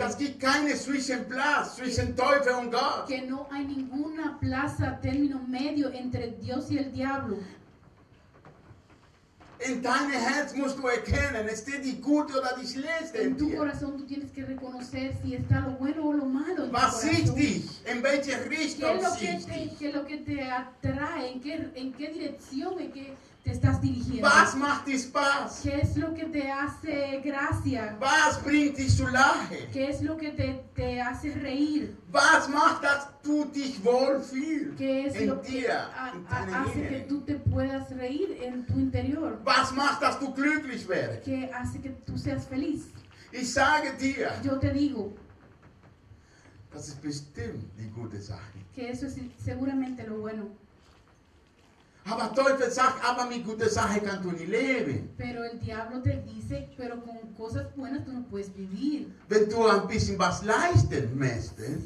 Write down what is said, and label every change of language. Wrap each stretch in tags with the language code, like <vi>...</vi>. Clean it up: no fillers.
<de>Dass gibt keine zwischen Platz zwischen Teufel und Gott.</de> <es>Que no hay ninguna plaza término medio entre Dios y el diablo.</es> <de>In deinem Herz musst du erkennen, ist dir die gute oder die schlechte in dir.</de> <es>En tu corazón tú tienes que reconocer si está lo bueno o lo malo.</es> <de>Was sieht dich? In welche Richtung sieht dich?</de> <es>Que lo que te atrae, en qué dirección, en qué te estás dirigiendo.</es> <de>Was macht dich Spaß?</de> <es>Que es lo que te hace gracia.</es> <de>Was bringt dich zu lachen?</de> <es>Que es lo que te hace reír.</es> <de>Was macht, dass du dich wohlfühlst?</de> <es>Que es</es> <de>in</de> <es>lo</es> <de>dir,</de> <es>que hace que tú te puedas reír en tu interior.</es> <de>Was macht, dass du glücklich wärst?</de> <es>Que hace que tú seas feliz.</es> <de>Ich sage dir.</de> <es>Yo te digo.</es> <de>Das ist bestimmt die gute Sache.</de> <es>Que eso es seguramente lo bueno.</es> <de>Aber Teufel sagt, aber mit guten Sachen kannst du nicht leben.</de> <es>Pero el diablo te dice, pero con cosas buenas tú no puedes vivir.</es> <de>Wenn du ein bisschen was leisten möchtest.</de>